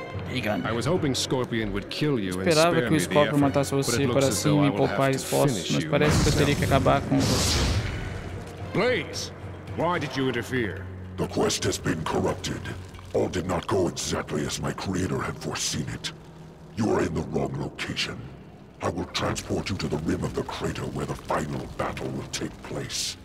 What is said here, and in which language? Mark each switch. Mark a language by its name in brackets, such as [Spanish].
[English] I was hoping Scorpion would kill you. [Portuguese] Esperava que o Scorpion matasse você para assim me poupar esforços, mas parece que eu teria que acabar com você. [English] Blades, why did you interfere? The quest has been corrupted. All did not go exactly as my creator had foreseen it. You are in the wrong location. I will transport you to the rim of the crater where the final battle will take place.